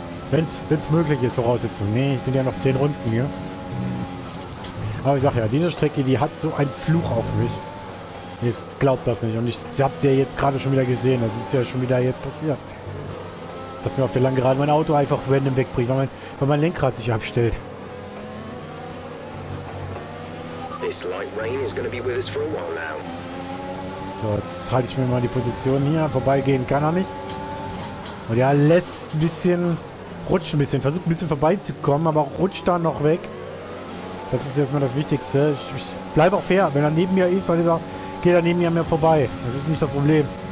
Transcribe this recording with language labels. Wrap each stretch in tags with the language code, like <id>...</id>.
<de>Wenn es möglich ist, Voraussetzung. Nee, es sind ja noch 10 Runden hier. Aber ich sag ja, diese Strecke, die hat so einen Fluch auf mich. Ihr glaubt das nicht. Und ich habe sie ja jetzt gerade schon wieder gesehen. Das ist ja schon wieder jetzt passiert. Dass mir auf der Langgeraden mein Auto einfach random wegbricht, weil mein Lenkrad sich abstellt.</de> <en>This light rain is gonna be with us for a while now.</en> <de>So, jetzt halte ich mir mal die Position hier. Vorbeigehen kann er nicht. Und ja, lässt ein bisschen, rutscht ein bisschen, versucht ein bisschen vorbeizukommen, aber rutscht da noch weg. Das ist jetzt mal das Wichtigste. Ich bleibe auch fair. Wenn er neben mir ist, dann ist er, geht er neben mir an mir vorbei. Das ist nicht das Problem.</de>